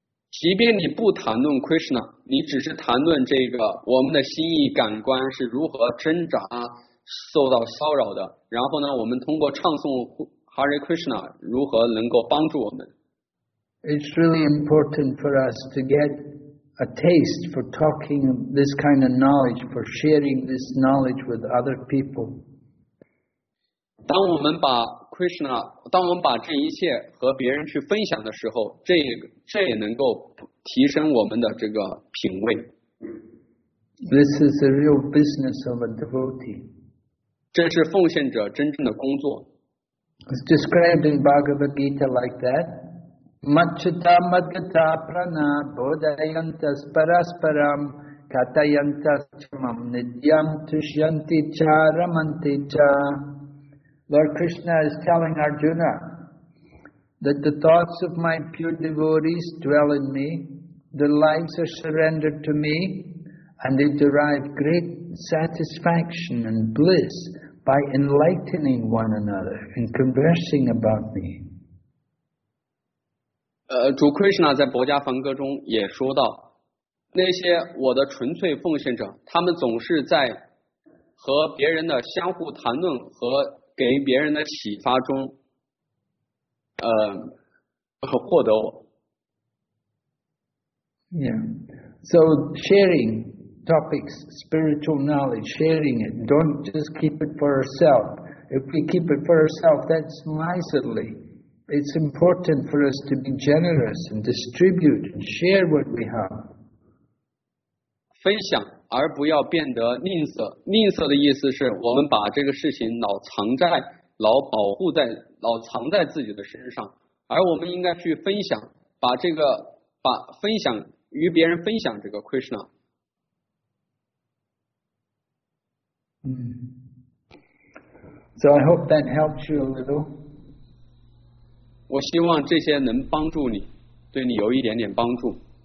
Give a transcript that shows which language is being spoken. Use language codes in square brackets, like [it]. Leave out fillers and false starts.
[zh] 即便你不谈论 Krishna, 你只是谈论这个我们的心意感官是如何挣扎受到骚扰的，然后呢我们通过唱诵 Hare Krishna 如何能够帮助我们。 [en] It's really important for us to get a taste for talking this kind of knowledge, for sharing this knowledge with other people. [zh] 当我们把 Krishna, 当我们把这一切和别人去分享的时候，这也能够提升我们的这个品味。 [en] This is the real business of a devotee. [zh] 这是奉献者真正的工作。 [en] It's described in Bhagavad Gita like that. [sa] Machita madhata prana bodhayantas parasparam katayantas chamam nidyam tushyanti cha ramanti cha. [en] Lord Krishna is telling Arjuna that the thoughts of my pure devotees dwell in me, their lives are surrendered to me, and they derive great satisfaction and bliss by enlightening one another and conversing about me. [zh] 主 Krishna 在薄伽梵歌中也说到，那些我的纯粹奉献者，他们总是在和别人的相互谈论和给别人的启发中，获得我。 [en] Yeah, so sharing topics, spiritual knowledge, sharing it. Don't just keep it for ourselves. If we keep it for ourselves, that's miserly. It's important for us to be generous and distribute and share what we have. [zh] 分享而不要变得吝啬。吝啬的意思是我们把这个事情老藏在老保护在老藏在自己的身上，而我们应该去分享，把这个把分享与别人分享这个 Krishna。 [en] 嗯，So I hope that helps you a little. [zh] 我希望这些能帮助你，对你有一点点帮助。